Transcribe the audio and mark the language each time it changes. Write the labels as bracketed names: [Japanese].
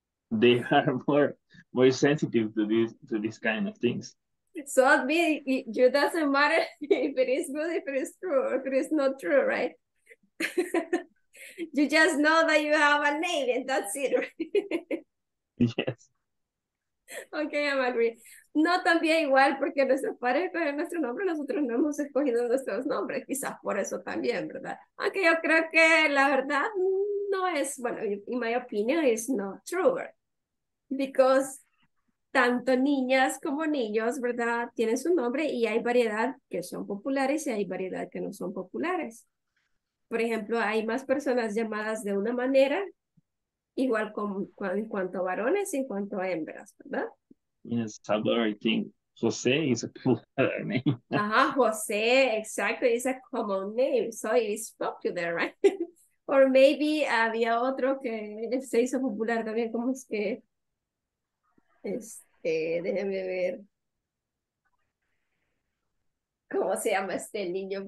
[English] They are more sensitive to these kind of things. So it doesn't matter if it is good, if it is true, or if it is not true, right? You just know that you have a name and that's it, right? Yes. Okay, I'm agree. [Spanish] No, también igual, porque nuestros padres escogieron nuestro nombre, nosotros no hemos escogido nuestros nombres, quizás por eso también, ¿verdad? Aunque yo creo que la verdad no es, bueno, [English] in my opinion, it's not true, because [Spanish] tanto niñas como niños, ¿verdad? Tienen su nombre y hay variedad que son populares y hay variedad que no son populares. Por ejemplo, hay más personas llamadas de una manera, igual en cuanto a varones y en cuanto a hembras, ¿verdad? [English] In El Salvador, I think José is a popular name. José, exactly, is a common name, so it's popular, right? Or maybe [Spanish] había otro que se hizo popular también, como es que, déjeme ver, ¿cómo se llama este niño?